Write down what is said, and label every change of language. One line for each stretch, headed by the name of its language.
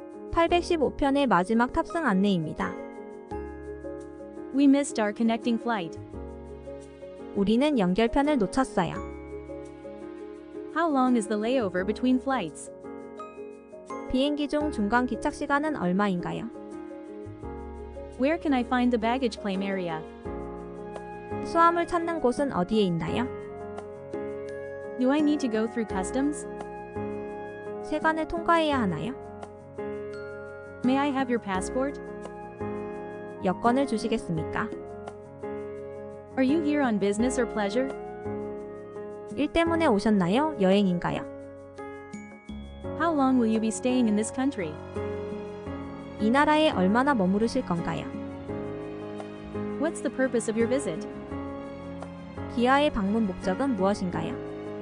Korean: 815편의 마지막 탑승 안내입니다.
English: We missed our connecting flight.
Korean: 우리는 연결편을 놓쳤어요.
English: How long is the layover between flights?
Korean: 비행기 중 중간 기착 시간은 얼마인가요?
English: Where can I find the baggage claim area?
Korean: 수화물 찾는 곳은 어디에 있나요?
English: Do I need to go through customs?
Korean: 세관을 통과해야 하나요?
English: May I have your passport?
Korean: 여권을 주시겠습니까?
English: Are you here on business or pleasure?
Korean: 일 때문에 오셨나요? 여행인가요?
English: How long will you be staying in this country?
Korean: 이 나라에 얼마나 머무르실 건가요?
English: What's the purpose of your visit?
Korean: 귀하의 방문 목적은 무엇인가요?